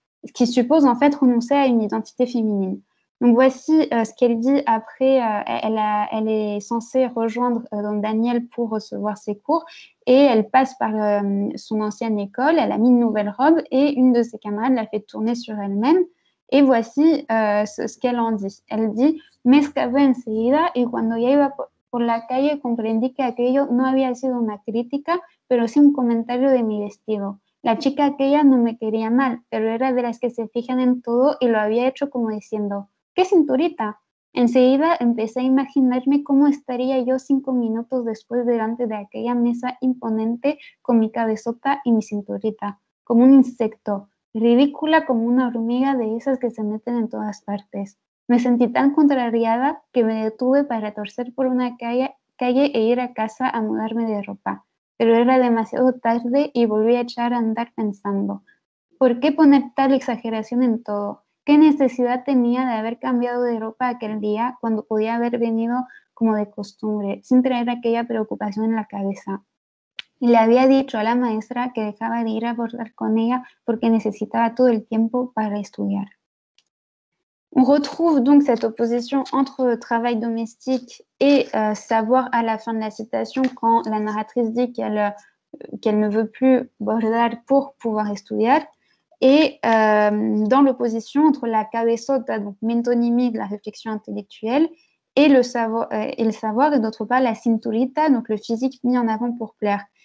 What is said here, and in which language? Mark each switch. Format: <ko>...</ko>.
<fr>Ce qui suppose en fait renoncer à une identité féminine. Donc voici ce qu'elle dit après, elle est censée rejoindre Daniel pour recevoir ses cours et elle passe par son ancienne école, elle a mis une nouvelle robe et une de ses camarades l'a fait tourner sur elle-même. Et voici ce qu'elle en dit. Elle dit</fr> <es>« Me escapé enseguida y cuando ya iba por la calle comprendí que aquello no había sido una crítica, pero sí un comentario de mi vestido. La chica aquella no me quería mal, pero era de las que se fijan en todo y lo había hecho como diciendo ¿Qué cinturita? Enseguida empecé a imaginarme cómo estaría yo 5 minutos después delante de aquella mesa imponente con mi cabezota y mi cinturita, como un insecto. Ridícula como una hormiga de esas que se meten en todas partes. Me sentí tan contrariada que me detuve para torcer por una calle e ir a casa a mudarme de ropa. Pero era demasiado tarde y volví a echar a andar pensando. ¿Por qué poner tal exageración en todo? ¿Qué necesidad tenía de haber cambiado de ropa aquel día cuando podía haber venido como de costumbre, sin traer aquella preocupación en la cabeza? Le había dicho a la maestra que dejaba de ir a bordar con ella porque necesitaba todo el tiempo para estudiar.</es> <fr>On retrouve donc cette opposition entre travail domestique et savoir à la fin de la citation quand la narratrice dit qu'elle ne veut plus bordar pour pouvoir estudiar. Et dans l'opposition entre la cabezota, donc mentonimie de la réflexion intellectuelle, et le savoir, et d'autre part la cinturita, donc le physique mis en avant pour plaire.</fr>